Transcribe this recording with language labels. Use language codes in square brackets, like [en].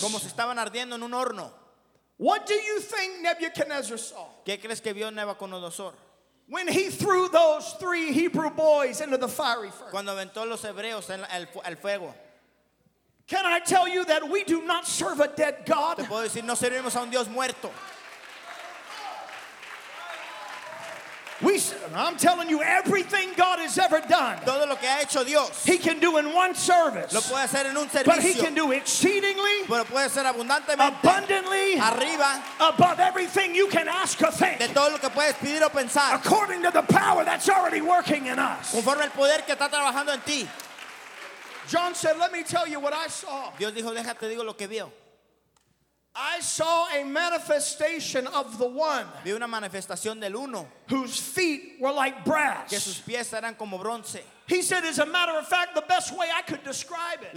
[es] Como si estaban ardiendo en un horno. [en] What do you think Nebuchadnezzar saw? [es] ¿Qué crees que vio Nebuchadnezzar? [en] When he threw those three Hebrew boys into the fiery furnace. [es] Cuando aventó los hebreos en el fuego. [en] Can I tell you that we do not serve a dead God? [es] Te puedo decir, no servimos a un Dios muerto. [en] I'm telling you, everything God has ever done, [es] todo lo que ha hecho Dios, [en] he can do in one service, [es] lo puede hacer en un servicio, [en] but he can do exceedingly, [es] pero puede hacer abundantemente, [en] abundantly, [es] arriba, [en] above everything you can ask or think, [es] de todo lo que puedes pedir o pensar, [en] according to the power that's already working in us. [es] Conforme al poder que está trabajando en ti. [en] John said, let me tell you what I saw. [es] Dios dijo, déjate digo lo que vio. [en] I saw a manifestation of the one. [es] Vi una manifestación del uno. [en] Whose feet were like brass. [es] Que sus pies eran como bronce. [en] He said, as a matter of fact, the best way I could describe it.